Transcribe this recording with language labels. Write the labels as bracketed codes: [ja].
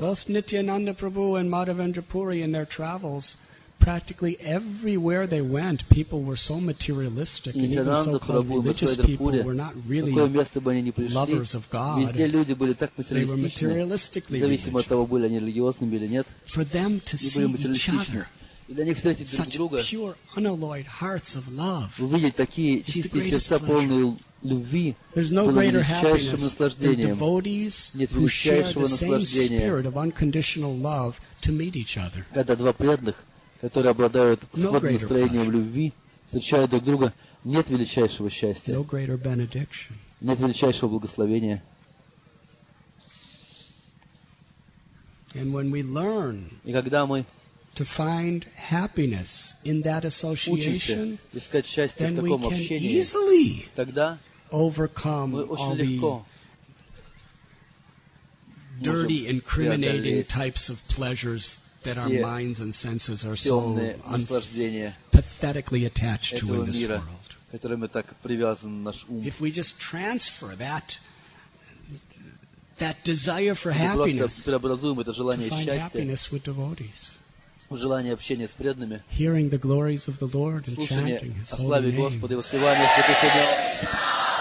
[en] Both Nityananda Prabhu and Madhavendra Puri in their travels, practically everywhere they went, people were so materialistic, and even so-called religious people were not really lovers of God. They were materialistically religious. For them to see each other, [ru] для них встретить друг друга, [en] pure, unalloyed hearts of love, [ru] увидеть такие чистые сердца, полные любви, [en] no [ru] было величайшим наслаждением. Нет величайшего наслаждения, когда два преданных, которые обладают сходным настроением любви, встречают друг друга, нет величайшего счастья, нет величайшего благословения. [en] And when we learn to find happiness in that association, then we can easily overcome all the dirty, incriminating types of pleasures that our minds and senses are so pathetically attached to in this world. If we just transfer that desire for happiness with devotees, [ru] желание общения с преданными, [en] hearing the glories of the Lord and chanting His holy name, [ru] Господа и воспевание святых имен.